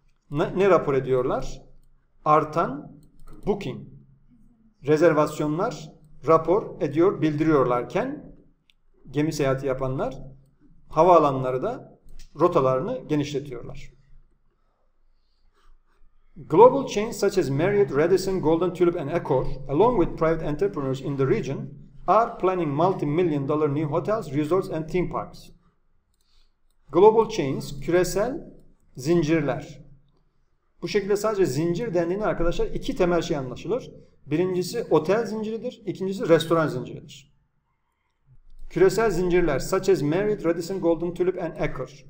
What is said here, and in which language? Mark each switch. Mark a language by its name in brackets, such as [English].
[Turkish] Ne rapor ediyorlar? Artan booking, rezervasyonlar rapor ediyor, bildiriyorlarken gemi seyahati yapanlar havaalanları da rotalarını genişletiyorlar. [English] Global chains such as Marriott, Radisson, Golden Tulip and Accor, along with private entrepreneurs in the region, are planning multi-million dollar new hotels, resorts and theme parks. Global chains, [Turkish] küresel zincirler. Bu şekilde sadece zincir dendiğinde arkadaşlar iki temel şey anlaşılır. Birincisi otel zinciridir, ikincisi restoran zinciridir. Küresel zincirler [English] such as [Turkish] Marriott, Radisson, Golden Tulip and Accor.